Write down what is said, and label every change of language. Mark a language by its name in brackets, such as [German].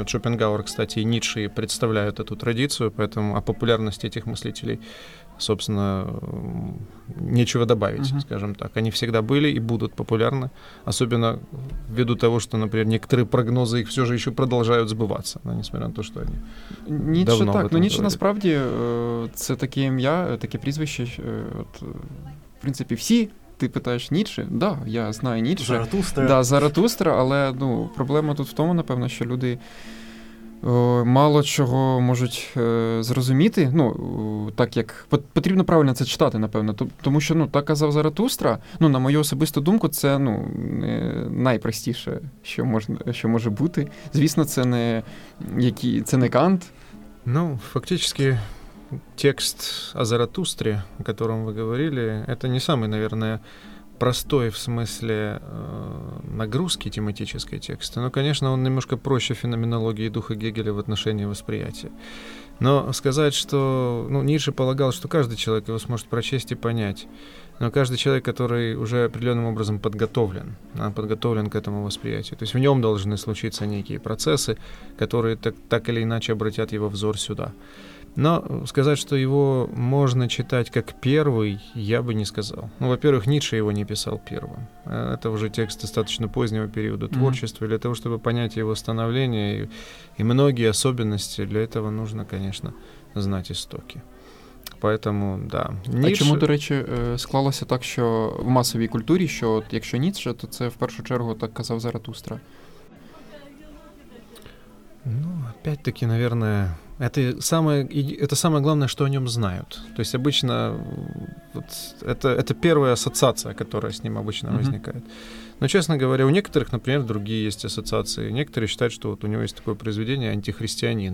[Russian] Вот Шопенгауэр, кстати, и Ницше представляют эту традицию, поэтому о популярности этих мыслителей, собственно, нечего добавить, скажем так. Они всегда были и будут популярны, особенно ввиду того, что, например, некоторые прогнозы их все же еще продолжают сбываться, да, несмотря на то, что они Ницше давно [Ukrainian] так, но Ницше, насправді, це таке ім'я, таке прізвище, в принципі, всі. Ти питаєш Ніцше? Да, я знаю Ніцше. Заратустра. Да, Заратустра, але ну, проблема тут в тому, напевно, що люди мало чого можуть зрозуміти. Ну, так як потрібно правильно це читати, напевно. Тому що, ну, так казав Заратустра, ну, на мою особисту думку, це ну, не найпростіше, що, що може бути. Звісно, це не Кант. Ну, фактично... [Russian] Текст о Заратустре, о котором вы говорили, это не самый, наверное, простой в смысле нагрузки тематической текста, но, конечно, он немножко проще феноменологии духа Гегеля в отношении восприятия. Но сказать, что... Ну, Ницше полагал, что каждый человек его сможет прочесть и понять, но каждый человек, который уже определенным образом подготовлен, подготовлен к этому восприятию, то есть в нем должны случиться некие процессы, которые так или иначе обратят его взор сюда. Но сказать, что его можно читать как первый, я бы не сказал. Ну, во-первых, Ницше его не писал первым. Это уже текст достаточно позднего периода творчества. Для того, чтобы понять его становление и многие особенности, для этого нужно, конечно, знать истоки. Поэтому, да. [Ukrainian] Ницше... А чому, до речі, склалося так, що в масовій культурі, що от якщо Ницше, то це в першу чергу так казав Заратустра? [Russian] Ну, опять-таки, наверное... Это самое главное, что о нем знают. То есть обычно вот это первая ассоциация, которая с ним обычно возникает. Но, честно говоря, у некоторых, например, другие есть ассоциации. Некоторые считают, что вот у него есть такое произведение «Антихристианин».